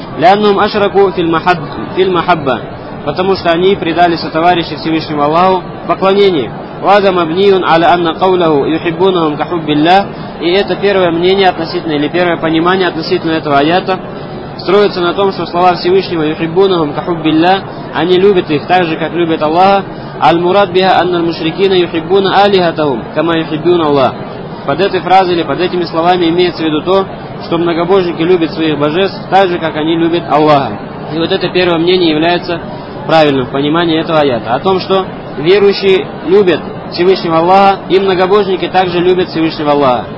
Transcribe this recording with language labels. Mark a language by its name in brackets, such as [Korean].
[Arabic] لَأَنَّهُمْ أَشْرَكُوا فِي الْمَحَبَّةِ, [Russian] потому что они предали сотоварищи Всевышнему Аллаху поклонение. [Arabic] وَهَذَا مَبْنِيٌّ عَلَى أَنَّ قَوْلَهُ يُحِبُّونَهُمْ كَحُبِّ اللَّهِ, [Russian] и это первое мнение относительно, или первое понимание относительно этого аята строится на том, что слова Всевышнего [Arabic] يُحِبُّونَهُمْ كَحُبِّ اللَّهِ, [Russian] они любят их так же, как любят Аллаха. [Arabic] المراد بها أن المشركين يحبون آلهتهم كما يحبون الله. [Russian] Под этой фразой или под этими словами имеется в виду то, что многобожники любят своих божеств так же, как они любят Аллаха. И вот это первое мнение является правильным в понимании этого аята. О том, что верующие любят Всевышнего Аллаха, и многобожники также любят Всевышнего Аллаха.